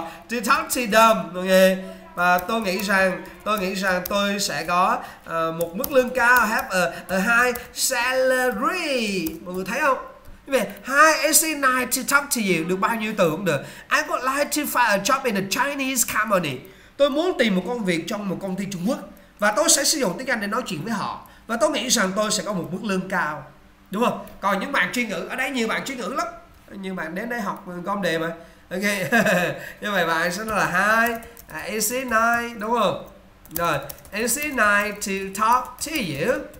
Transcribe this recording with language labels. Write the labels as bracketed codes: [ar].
[en] To talk to them, okay? [vi] Và tôi nghĩ rằng tôi sẽ có một mức lương cao. [en] Have a high salary. [vi] Mọi người thấy không? [en] Vậy, hi, it's nice to talk to you. [vi] Được bao nhiêu từ cũng được. [en] I would like to find a job in a Chinese company. [vi] Tôi muốn tìm một công việc trong một công ty Trung Quốc. Và tôi sẽ sử dụng tiếng Anh để nói chuyện với họ. Và tôi nghĩ rằng tôi sẽ có một mức lương cao. Đúng không? Còn những bạn chuyên ngữ, ở đây nhiều bạn chuyên ngữ lắm. Nhưng bạn đến đây học công đề mà. Ok. Như vậy bạn sẽ nói là [en] hi, is it nice, [vi] đúng không? [en] Rồi, is it nice to talk to you?